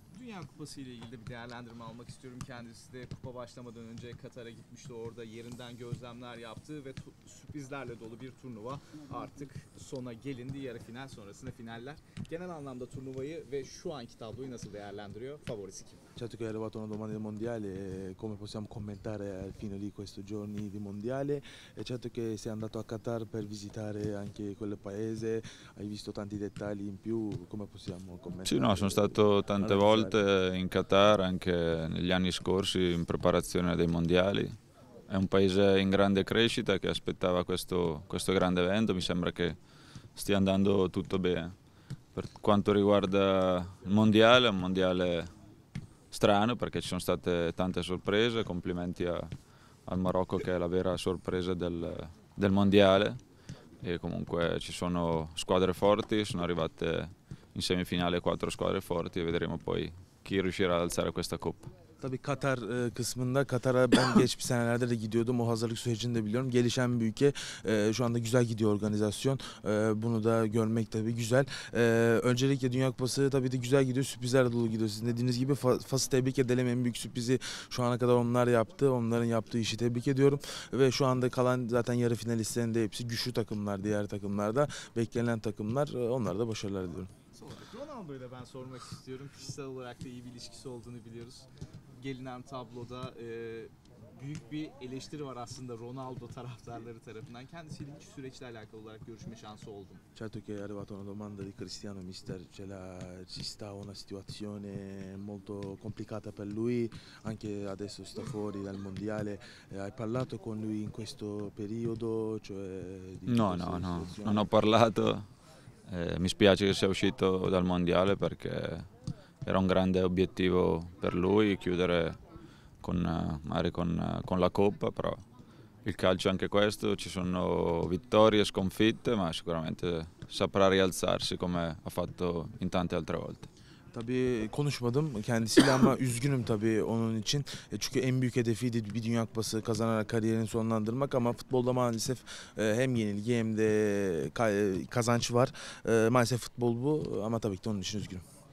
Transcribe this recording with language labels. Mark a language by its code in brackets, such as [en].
[tr] Dünya Kupası ile ilgili bir değerlendirme almak istiyorum. Kendisi de kupa başlamadan önce Katar'a gitmişti. Orada yerinden gözlemler yaptı ve sürprizlerle dolu bir turnuva artık sona gelindi. Yarı final sonrasında finaller. Genel anlamda turnuvayı ve şu anki tabloyu nasıl değerlendiriyor? Favorisi kim? [it] Certo che è arrivata una domanda del mondiale, come possiamo commentare al fine di questi giorni di mondiale? È certo che sei andato a Qatar per visitare anche quel paese, hai visto tanti dettagli in più, come possiamo commentare? Sì, no, sono stato tante volte in Qatar, anche negli anni scorsi in preparazione dei mondiali. È un paese in grande crescita che aspettava questo grande evento, mi sembra che stia andando tutto bene. Per quanto riguarda il mondiale, è un mondiale strano perché ci sono state tante sorprese, complimenti al Marocco che è la vera sorpresa del mondiale e comunque ci sono squadre forti, sono arrivate in semifinale quattro squadre forti e vedremo poi chi riuscirà ad alzare questa coppa. [tr] Tabii Katar kısmında, Katar'a ben geçmiş senelerde de gidiyordum, o hazırlık sürecini de biliyorum. Gelişen bir ülke, şu anda güzel gidiyor organizasyon, bunu da görmek tabii güzel. Öncelikle Dünya Kupası tabii de güzel gidiyor, sürprizlerle dolu gidiyor. Sizin dediğiniz gibi Fas'ı tebrik edelim, en büyük sürprizi şu ana kadar onlar yaptı, onların yaptığı işi tebrik ediyorum. Ve şu anda kalan zaten yarı finalistlerin de hepsi güçlü takımlar, diğer takımlarda beklenen takımlar, onlara da başarılar diliyorum. Ronaldo'yu da ben sormak istiyorum. Kişisel olarak da iyi bir ilişkisi olduğunu biliyoruz. Gelinen tabloda büyük bir eleştiri var aslında Ronaldo taraftarları tarafından. Kendisiyle hiç süreçle alakalı olarak görüşme şansı oldu. [it] Certo che è arrivata una domanda di Cristiano Mister, ci sta una situazione molto complicata per lui, anche adesso sta fuori dal mondiale. Hai parlato con lui in questo periodo? Cioè di no, non ho parlato. Mi spiace che sia uscito dal mondiale perché era un grande obiettivo per lui chiudere con la Coppa, però il calcio è anche questo, ci sono vittorie e sconfitte, ma sicuramente saprà rialzarsi come ha fatto in tante altre volte. [tr] Tabii konuşmadım kendisiyle ama üzgünüm tabii onun için. Çünkü en büyük hedefiydi bir Dünya Kupası kazanarak kariyerini sonlandırmak. Ama futbolda maalesef hem yenilgi hem de kazanç var. Maalesef futbol bu ama tabii ki de onun için üzgünüm.